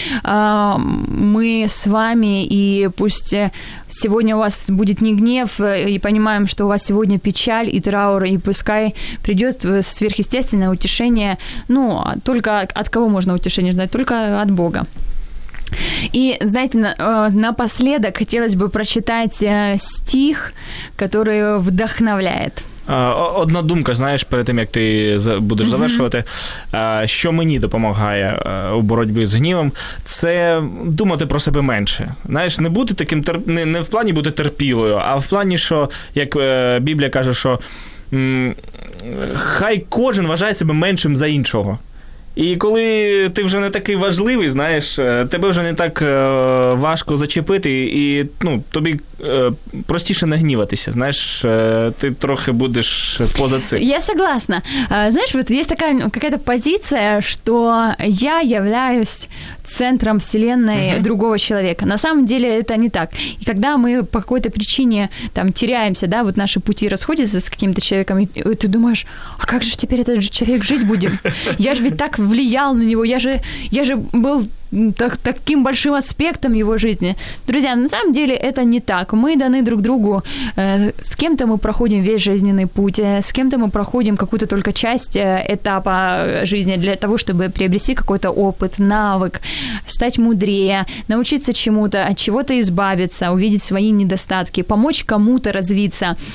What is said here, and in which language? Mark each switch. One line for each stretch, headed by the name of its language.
Russian: Мы с вами, и пусть сегодня у вас будет не гнев, и понимаем, что у вас сегодня печаль и траур, и пускай придет сверхъестественное утешение. Ну, только от кого можно утешение ждать? Только от Бога. И, знаете, напоследок хотелось бы прочитать стих, который вдохновляет.
Ukrainian: Одна думка, знаєш, перед тим, як ти будеш завершувати, що мені допомагає у боротьбі з гнівом, це думати про себе менше. Знаєш, не бути таким, не в плані бути терпілою, а в плані, що, як Біблія каже, що хай кожен вважає себе меншим за іншого. І коли ти вже не такий важливий, знаєш, тебе вже не так важко зачепити, і ну, тобі простіше не гніватися, знаєш, ти трохи будеш поза цим.
Russian: Я согласна.
Ukrainian: Знаєш, вот є така якась позиція, що я являюсь центром вселенной другого человека.
Russian: На самом деле это не так. И когда мы по какой-то причине там теряемся, да, вот наши пути расходятся с каким-то человеком, и ты думаешь, а как же теперь этот же человек жить будем? Я же ведь так влиял на него, я же был так, таким большим аспектом его жизни. Друзья, на самом деле это не так. Мы даны друг другу. С кем-то мы проходим весь жизненный путь, с кем-то мы проходим какую-то только часть этапа жизни для того, чтобы приобрести какой-то опыт, навык, стать мудрее, научиться чему-то, от чего-то избавиться, увидеть свои недостатки, помочь кому-то развиться.